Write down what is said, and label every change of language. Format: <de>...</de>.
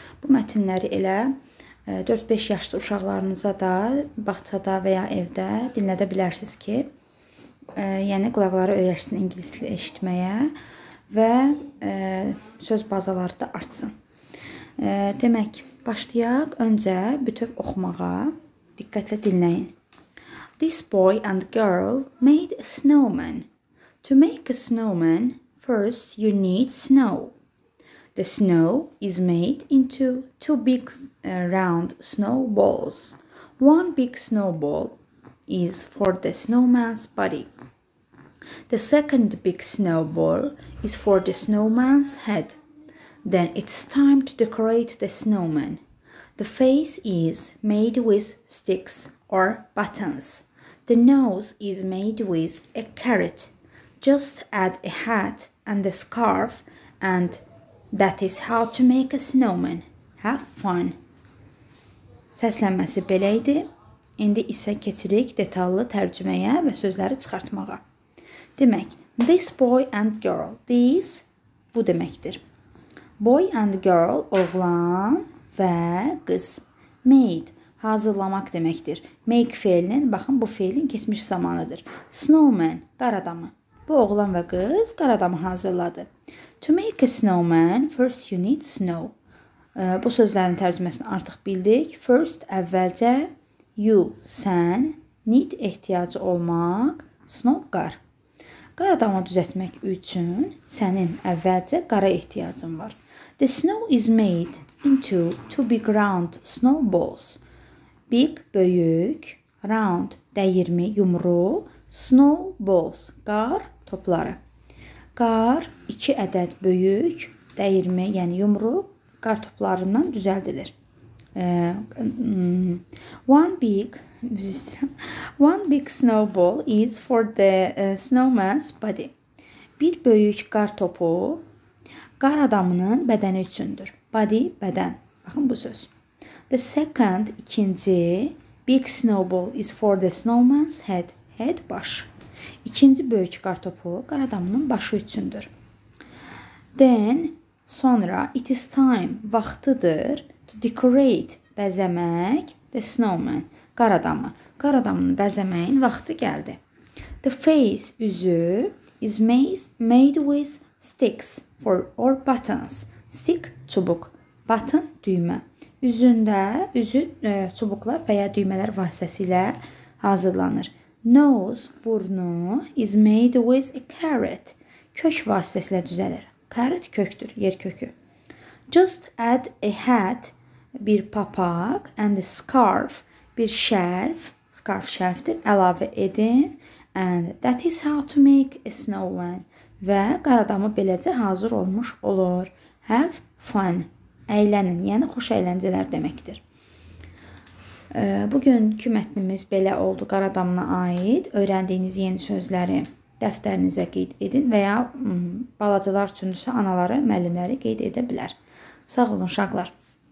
<az>Bu mətnləri elə 4-5 yaşlı uşaqlarınıza da bağçada və ya evdə dinlədə bilərsiniz ki, yəni qulaqları öyrəşsin ingilis dilini eşitməyə və söz bazaları da artsın. Demək, başlayaq. Öncə bütöv oxumağa diqqətlə dinləyin.</az> <en>This boy and girl made a snowman. To make a snowman, first you need snow. The snow is made into two big round snowballs. One big snowball is for the snowman's body. The second big snowball is for the snowman's head. Then it's time to decorate the snowman. The face is made with sticks or buttons. The nose is made with a carrot. Just add a hat and a scarf, and that is how to make a snowman. Have fun.</en> <az>Səslənməsi belə idi. İndi isə keçirik detallı tərcüməyə və sözləri çıxartmağa. Demək,</az> <en>this boy and girl,</en> <az>this bu deməkdir.</az> <en>Boy and girl,</en> <az>oğlan və qız. Made, hazırlamaq deməkdir. Make fiilinin, baxın, bu fiilin keçmiş zamanıdır. Snowman, qar adamı. Bu oğlan və qız qar adamı hazırladı.</az> <en>To make a snowman, first you need snow.</en> <az>Bu sözlərin tərcüməsini artıq bildik. First, əvvəlcə, you, sən, need ehtiyacı olmaq, snow, qar. Qar adamı düzəltmək üçün sənin əvvəlcə qara ehtiyacın var.</az> <en>The snow is made into two big round snowballs.</en> <az>Big, böyük, round, dəyirmi, yumru, snowballs, qar, topları. Qar 2 ədəd böyük, dəyirmi, yəni yumru, qar toplarından düzəldilir.</az> <en>One big snowball is for the snowman's body.</en> <az>Bir böyük qar topu qar adamının bədəni üçündür. Body, bədən. Baxın bu söz.</az> <en>The second, ikinci, big snowball is for the snowman's head.</en> <az>Head, baş. İkinci böyük qar topu qar adamının başı üçündür.</az> <en>Then, sonra, it is time, vaxtıdır, to decorate, bəzəmək, the snowman, qar adamı.</en> <az>Qar adamının bəzəməyin vaxtı gəldi.</az> <en>The face, üzü, is made with sticks for or buttons.</en> <az>Stick, çubuk, button, düymə. Üzündə, üzü çubuqlar və ya düymələr vasitəsilə hazırlanır.</az> <en>Nose, burnu, is made with a carrot.</en> <az>Kök vasitəsilə düzəlir. Carrot kökdür, yer kökü.</az> <en>Just add a hat, bir papaq, and a scarf, bir şərf.</en> <az>Scarf şərfdir, əlavə edin.</az> <en>And that is how to make a snowman.</en> <az>Və qar adamı beləcə hazır olmuş olur.</az> <en>Have fun,</en> <az>əylənin, yəni xoş əyləncələr deməkdir. Bugünkü mətnimiz belə oldu qar adamına aid. Öyrəndiyiniz yeni sözləri dəftərinizə qeyd edin və ya balacalar üçün isə anaları, müəllimləri qeyd edə bilər. Sağ olun, uşaqlar.</az>